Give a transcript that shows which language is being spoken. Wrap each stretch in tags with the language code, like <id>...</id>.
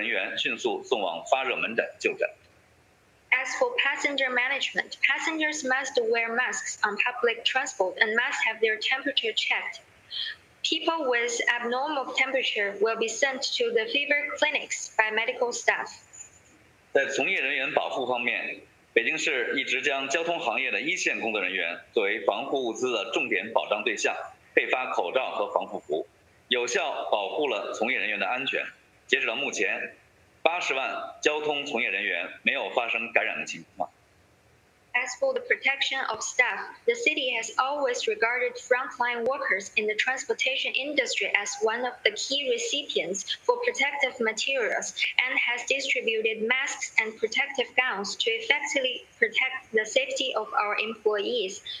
<zh>在乘客管理方面，凡是乘坐公共交通工具的乘客必须佩戴口罩，也必须接受测温。温度异常的乘客将按照程序由医护人员迅速送往发热门诊就诊。</zh> <en>As for passenger management, passengers must wear masks on public transport and must have their temperature checked. People with abnormal temperature will be sent to the fever clinics by medical staff.</en> <zh>在从业人员保护方面，北京市一直将交通行业的一线工作人员作为防护物资的重点保障对象，配发口罩和防护服，有效保护了从业人员的安全。截止到目前， 80万 交通从业人员没有发生感染的情况。As</zh> <en>for the protection of staff, the city has always regarded frontline workers in the transportation industry as one of the key recipients for protective materials and has distributed masks and protective gowns to effectively protect the safety of our employees.</en>